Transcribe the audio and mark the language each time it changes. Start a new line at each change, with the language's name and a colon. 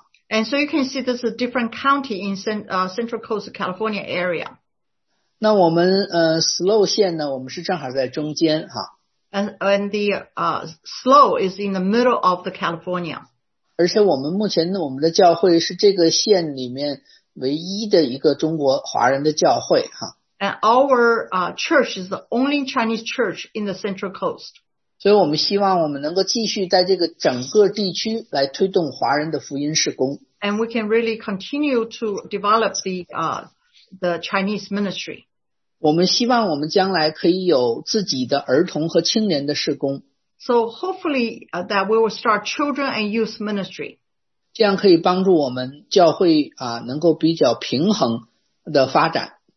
English: And so you can see this is a different county in Central Coast California area.
Chinese: 那我们SLO 县呢，我们是正好在中间哈。
English: And the SLO is in the middle of the California.
Chinese: 而且我们目前呢，我们的教会是这个县里面唯一的一个中国华人的教会哈。
English: And our church is the only Chinese church in the Central Coast.
Chinese: 所以我们希望我们能够继续在这个整个地区来推动华人的福音事工。
English: And we can really continue to develop the Chinese ministry.
Chinese: 我们希望我们将来可以有自己的儿童和青年的事工。
English: So hopefully that we will start children and youth ministry.
Chinese: 这样可以帮助我们教会能够比较平衡的发展。